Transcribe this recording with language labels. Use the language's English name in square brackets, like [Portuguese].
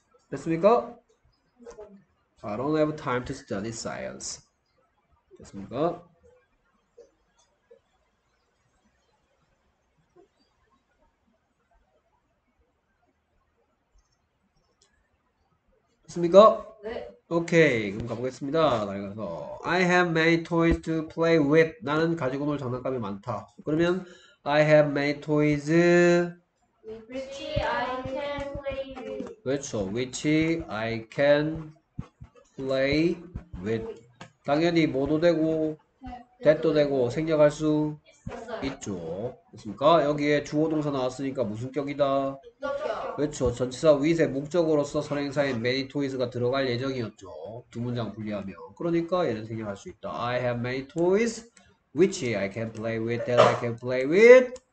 [Korean] 됐습니까? [English] I don't have time to study science. 됐습니까? [Korean] 됐습니까? 네. 오케이, 그럼 가보겠습니다. 나가서 [English] I have many toys to play with. [Korean] 나는 가지고 놀 장난감이 많다. [English] 그러면 I have many toys. Which I can play with. [Korean] 그렇죠. [English] Which I can play with. [Korean] 당연히 뭐도 되고 that도 되고 생략할 수 있죠. 그렇습니까? 여기에 주어 동사 나왔으니까 무슨격이다. 그렇죠. 전치사 위세 목적으로서 선행사인 many toys가 들어갈 예정이었죠. 두 문장 분리하면. 그러니까 얘는 생략할 수 있다. [English] I have many toys which I can play with that I can play with.